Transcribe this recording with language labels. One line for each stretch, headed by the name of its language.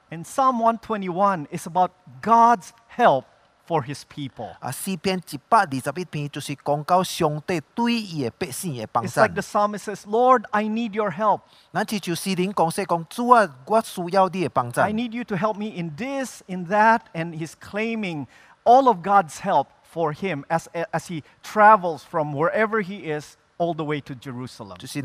English: And Psalm 121 is about God's help for His people.
Min Nan Chinese: 诗篇121篇就是讲到上帝对伊的百姓的帮助。
English: It's like the psalmist says, "Lord, I need Your help."
Min Nan Chinese: 咱就是灵讲说，主啊，我需要你的帮助。
English: I need You to help me in this, in that, and He's claiming all of God's help for him as he travels from wherever he is all the way to Jerusalem.